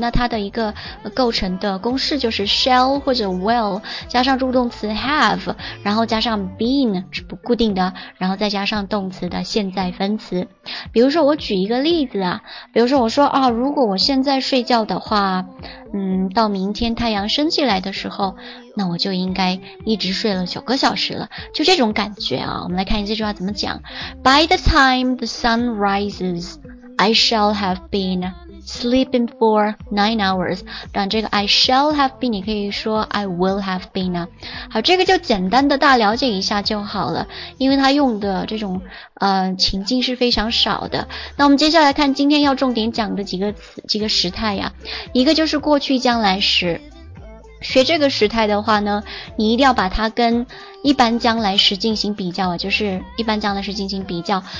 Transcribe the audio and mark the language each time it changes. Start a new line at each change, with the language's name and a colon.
Chinese: 那它的一个构成的公式就是 shall 或者 will 加上助动词 have， 然后加上 been 是不固定的，然后再加上动词的现在分词。比如说我举一个例子啊，比如说我说啊，如果我现在睡觉的话，到明天太阳升起来的时候，那我就应该一直睡了9个小时了，就这种感觉啊。我们来看一下这句话怎么讲。
English: By the time the sun risesI shall have been sleeping for 9 hours.
Chinese: 但这个
English: I shall have been
Chinese: 你可以说
English: I will have been
Chinese: 啊。好，这个就简单的大了解一下就好了，因为它用的这种情境是非常少的。那我们接下来看今天要重点讲的几个时态呀，一个就是过去将来时，学这个时态的话呢，你一定要把它跟一般将来时进行比较，就是一般将来时进行比较。